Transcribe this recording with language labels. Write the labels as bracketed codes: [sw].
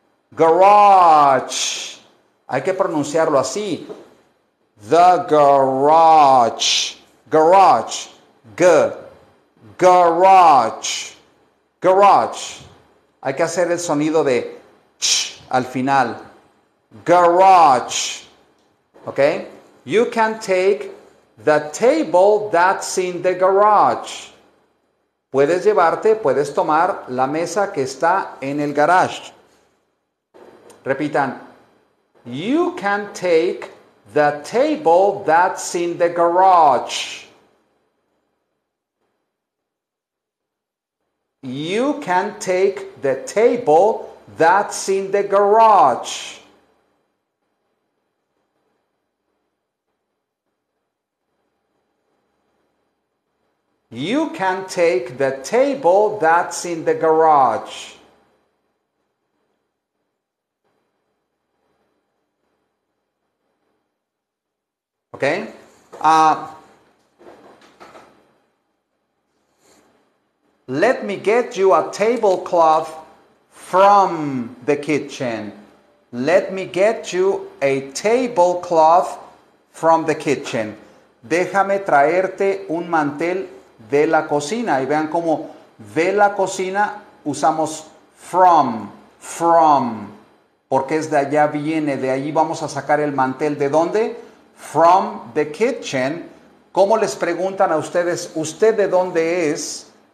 [es] Garage. Hay que pronunciarlo así. [en] The garage. Garage. G. Garage. Garage. [es] Hay que hacer el sonido de ch al final. [en] Garage. Okay? You can take the table that's in the garage. [es] Puedes llevarte, puedes tomar la mesa que está en el garage. Repitan. [en] You can take the table that's in the garage. You can take the table that's in the garage. You can take the table that's in the garage. Okay? Let me get you a tablecloth from the kitchen. Let me get you a tablecloth from the kitchen. [es] Déjame traerte un mantel de la cocina. Y vean cómo de la cocina usamos from. from, porque es de allá viene, de ahí vamos a sacar el mantel. ¿De dónde? [en] From the kitchen. [es] ¿Cómo les preguntan a ustedes, usted de dónde es?